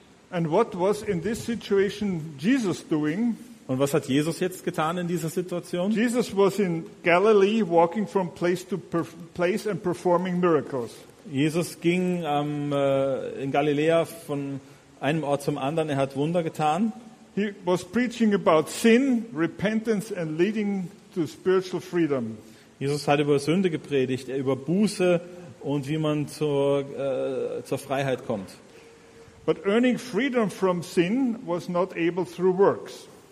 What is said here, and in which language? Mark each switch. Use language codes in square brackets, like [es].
[en] And what was in this situation Jesus doing? [de] Und was hat Jesus jetzt getan in dieser Situation? [en] Jesus was in Galilee, walking from place to place and performing miracles. [de] Jesus ging in Galiläa von einem Ort zum anderen. Er hat Wunder getan. [en] He was preaching about sin, repentance and leading to spiritual freedom. [de] Jesus hat über Sünde gepredigt, über Buße und wie man zur Freiheit kommt. [en] But earning freedom from sin was not able through works.